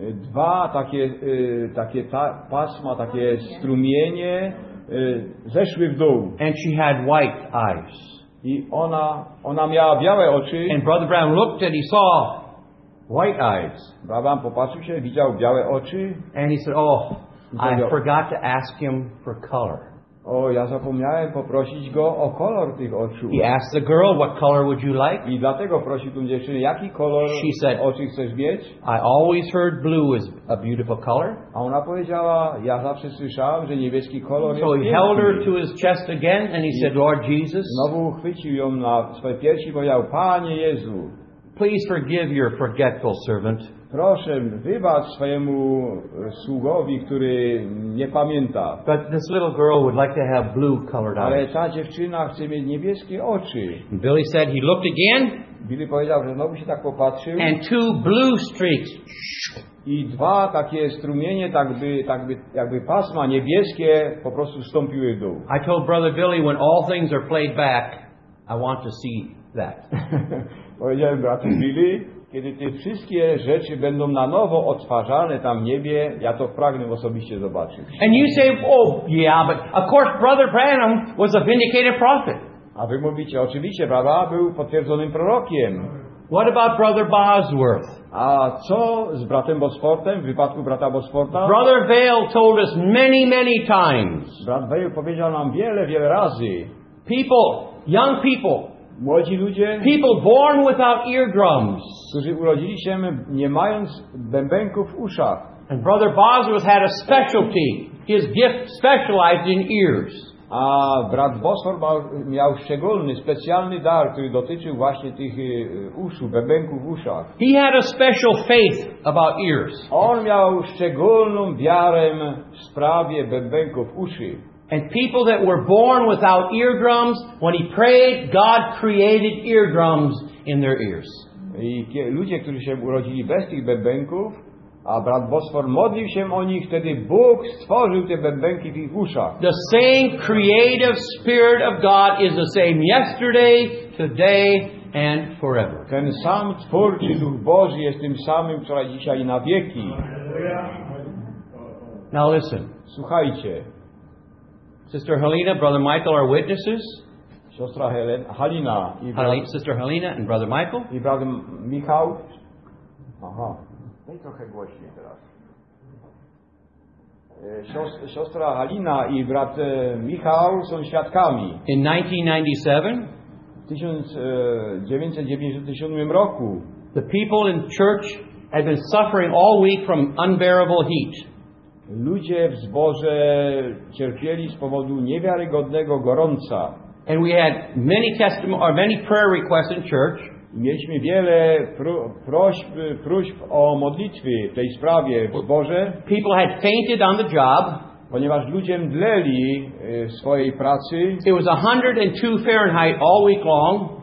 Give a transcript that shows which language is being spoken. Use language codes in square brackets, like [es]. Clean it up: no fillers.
[pl] dwa takie pasma, takie strumienie zeszły w dół. [en] And she had white eyes. [pl] I ona miała białe oczy. [en] And Brother Branham looked and he saw white eyes. [pl] Brother Branham popatrzył się, widział białe oczy. [en] And he said, oh, I forgot to ask him for color. [pl] O, ja zapomniałem poprosić go o kolor tych oczu. [en] He asked the girl, what color would you like? [pl] I dlatego prosił tą dziewczynę, jaki kolor oczu chcesz mieć? [en] I always heard blue is a beautiful color. [pl] A ona powiedziała, ja zawsze słyszałam, że niebieski kolor jest piękny. [en] So he held her to his chest again and he said, Lord Jesus. [pl] Znowu chwycił ją na swoje piersi i powiedział, Panie Jezu. [en] Please forgive your forgetful servant. [pl] Proszę, wybacz swojemu sługowi, który nie pamięta. [en] But this little girl would like to have blue colored eyes. [pl] Ale ta dziewczyna chce mieć niebieskie oczy. [en] Billy said he looked again. [pl] Billy powiedział, że znowu się tak popatrzył. [en] And two blue streaks. [pl] I dwa takie strumienie, jakby pasma niebieskie, po prostu wstąpiły w dół. [en] I told brother Billy, when all things are played back, I want to see that. [pl] Powiedziałem bratu Billy, kiedy te wszystkie rzeczy będą na nowo odtwarzane tam w niebie, ja to pragnę osobiście zobaczyć. [en] And you say, oh yeah, but of course Brother Branham was a vindicated prophet. [pl] A wy mówicie, oczywiście, brata był potwierdzonym prorokiem. [en] What about Brother Bosworth? [pl] A co z bratem Bosworthem, w wypadku brata Bosworta? [en] Brother Vale told us many, many times. [pl] Brat Vale powiedział nam wiele, wiele razy. [en] People, young people, [pl] młodzi ludzie, [en] people born without eardrums, [pl] którzy urodzili się nie mając bębenków w uszach. [en] And Brother Bosworth had a specialty. His gift specialized in ears. [pl] A brat Bosworth miał szczególny, specjalny dar, który dotyczył właśnie tych uszu, bębenków w uszach. [en] He had a special faith about ears. [pl] On miał szczególną wiarę w sprawie bębenków uszy. [en] And people that were born without eardrums, when he prayed, God created eardrums in their ears. [pl] I ludzie, którzy się urodzili bez tych bębenków, a brat Bosfor modlił się o nich, wtedy Bóg stworzył te bębenki w ich uszach. [en] The same creative spirit of God is the same yesterday, today and forever. [pl] Ten sam twórczy Duch Boży jest tym samym wczoraj, dzisiaj i na wieki. [en] Now listen. [pl] Słuchajcie. [en] Sister Helena, Brother Michael are witnesses. [pl] Siostra Halina [en] i Sister Helena and Brother Michael. [pl] I Brother Michał. Aha. No i trochę głośniej teraz. Siostra Halina i brat Michał są świadkami. [en] In 1997. [pl] W 1997 roku. [en] The people in church had been suffering all week from unbearable heat. [pl] Ludzie w zborze cierpieli z powodu niewiarygodnego gorąca. [en] And we had many testimony or many prayer requests in church. [pl] Mieliśmy wiele prośb o modlitwy w tej sprawie w zborze. [en] People had fainted on the job. [pl] Ponieważ ludzie mdleli w swojej pracy. [en] It was 102 Fahrenheit all week long.